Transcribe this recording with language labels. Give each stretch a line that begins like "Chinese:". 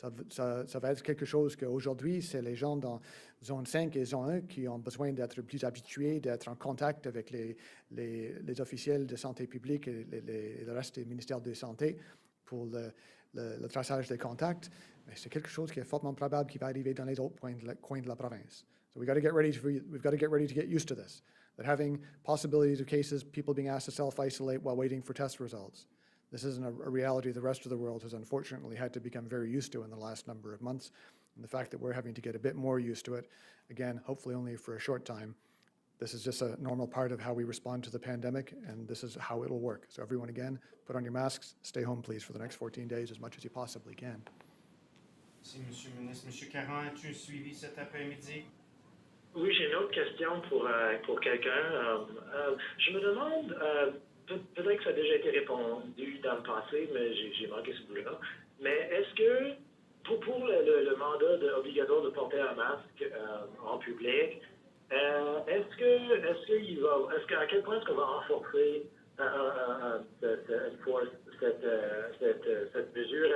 French: Ça va être quelque chose qu'aujourd'hui, c'est les gens dans zone 5 et zone 1 qui ont besoin d'être plus habitués, d'être en contact avec les officiels de santé publique et le reste du ministère de santé pour le traçage des contacts. Mais c'est quelque chose qui est fortement probable qui va arriver dans les autres coins de la province.
English: So we've got to get ready to get used to this. That having possibilities of cases, people being asked to self-isolate while waiting for test results. This isn't a reality the rest of the world has unfortunately had to become very used to in the last number of months. And the fact that we're having to get a bit more used to it, again, hopefully only for a short time, this is just a normal part of how we respond to the pandemic, and this is how it'll work. So everyone, again, put on your masks, stay home, please, for the next 14 days as much as you possibly can.
French: Merci, Monsieur le Ministre. Monsieur Caron, as-tu suivi cet après-midi? Oui, j'ai une autre question pour quelqu'un. Je me demande... Peut-être que ça a déjà été répondu dans le passé, mais j'ai manqué ce bout-là. Mais est-ce que pour le mandat obligatoire de porter un masque en public, est-ce que à quel point est-ce qu'on va renforcer cette mesure?